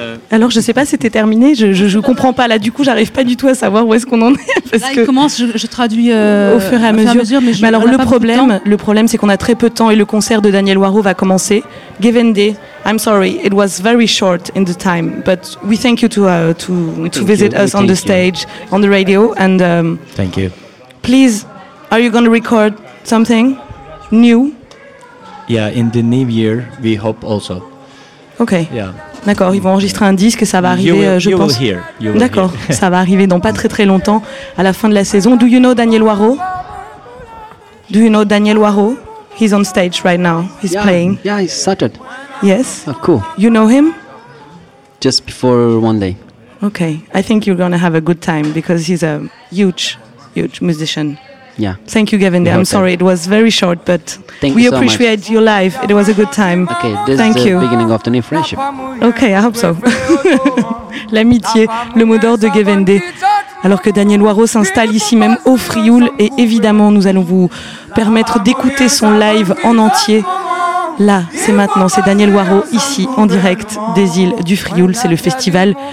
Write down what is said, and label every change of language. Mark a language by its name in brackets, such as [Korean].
[French] Alors je sais pas, c'était terminé. Je comprends pas là. Du coup, j'arrive pas du tout à savoir où est-ce qu'on en est. Parce là, il commence. Je traduis au fur et à mesure. Mais alors le problème, c'est qu'on a très peu de temps et le concert de Daniel Waro va commencer. [English] Gevende, I'm sorry, it was very short in the time, but we thank you to visit you. Us on the stage, on the radio, and thank you. Please, are you going to record something new? Yeah, in the new year, we hope also. Okay. Yeah. [French] D'accord, ils vont enregistrer un disque, ça va arriver, je pense. [English] Will hear. You will [French] d'accord, [English] hear. [French] Ça va arriver dans pas très très longtemps, à la fin de la saison. [English] Do you know Daniel Waro? [French] Do you know Daniel Waro? [English] He's on stage right now. He's playing. Yeah, he started. Yes. Oh, cool. You know him? Just before one day. Okay. I think you're going to have a good time because he's a huge, huge musician. Yeah. Thank you, Gavin. I'm sorry. It was very short, but we appreciate your life. It was a good time. Okay. This is the beginning of the new friendship. Okay. I hope so. [French] L'amitié, le mot d'ordre de Gavendé. Alors que Daniel Waro s'installe ici même au Frioul, et évidemment nous allons vous permettre d'écouter son live en entier. Là, c'est maintenant, c'est Daniel Waro ici en direct des îles du Frioul, c'est le festival.